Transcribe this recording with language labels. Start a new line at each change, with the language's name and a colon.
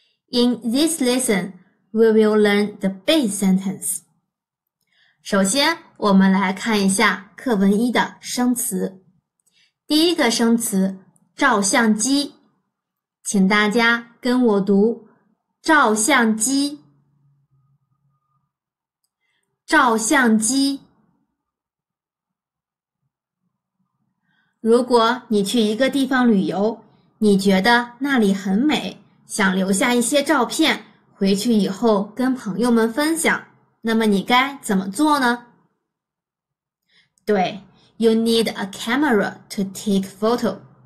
English: In this lesson, we will learn the base sentence.
Chinese: 首先，我们来看一下课文一的生词。第一个生词，照相机。请大家跟我读，照相机，照相机。如果你去一个地方旅游，你觉得那里很美，想留下一些照片，回去以后跟朋友们分享，那么你该怎么做呢？对，
English: you need a camera to take photo.